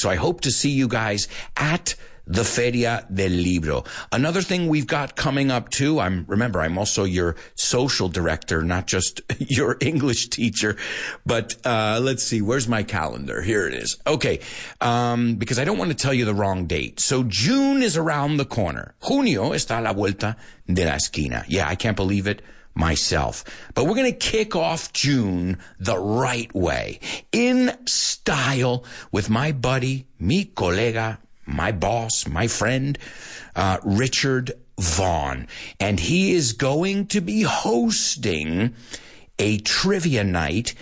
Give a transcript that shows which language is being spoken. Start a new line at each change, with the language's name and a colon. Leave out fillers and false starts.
English: So I hope to see you guys at the Feria del Libro. Another thing we've got coming up too, I'm also your social director, not just your English teacher, but let's see, where's my calendar? Here it is. Okay, because I don't want to tell you the wrong date. So June is around the corner.
Spanish: Junio está a la vuelta de la esquina.
English: Yeah, I can't believe it myself. But we're going to kick off June the right way, in style, with my buddy,
Spanish: mi colega,
English: my boss, my friend, Richard Vaughn. And he is going to be hosting a trivia night.